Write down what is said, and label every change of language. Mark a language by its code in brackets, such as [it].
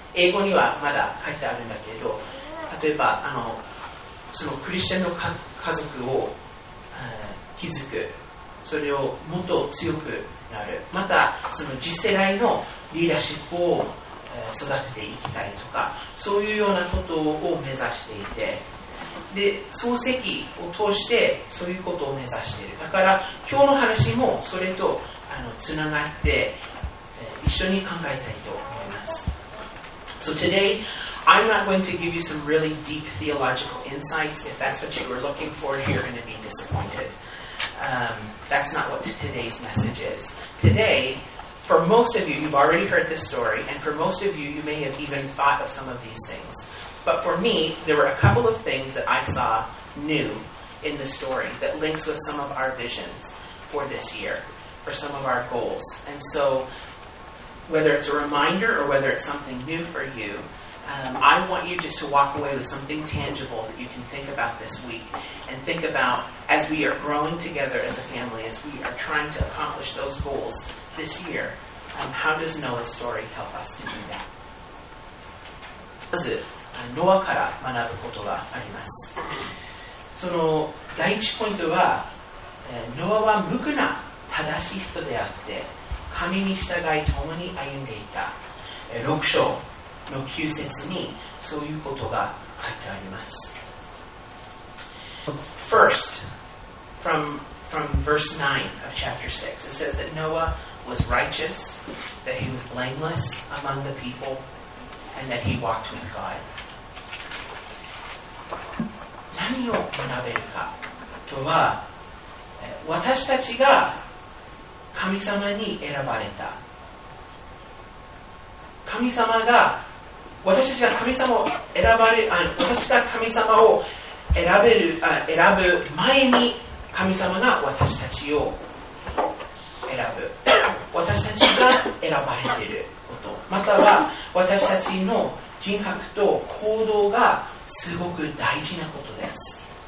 [ja] 英語にはまだ書いてあるんだけど、例えばそのクリスチャンの家族を、築く、それをもっと強くなる、またその次世代のリーダーシップを、育てていきたいとか、そういうようなことを目指していて、で創世記を通してそういうことを目指している。だから今日の話もそれとつながって、一緒に考えたいと思います。 [en] So today I'm not going to give you some really deep theological insights. If that's what you were looking for, you're going to be disappointed. That's not what today's message is. Today, for most of you, you've already heard this story, and for most of you, you may have even thought of some of these things. But for me, there were a couple of things that I saw new in the story that links with some of our visions for this year, for some of our goals. And so, whether it's a reminder or whether it's something new for you, I want you just to walk away with something tangible that you can think about this week and think about as we are growing together as a family, as we are trying to accomplish those goals this year. How does Noah's story help us to do that? [ja] まず、ノアから学ぶことがあります。その第一ポイントは、ノアは無垢な正しい人であって、神に従い共に歩んでいた。 6章の9節にそういうことが書いてあります。 [en] First from verse 9 of chapter 6, it says that Noah was righteous, that he was blameless among the people, and that he walked with God. [ja] 何を学べるかとは、私たちが神様に選ばれた、神様が私が神様を選ぶ前に、神様が私たちを選ぶ、私たちが選ばれていること、または私たちの人格と行動がすごく大事なことです。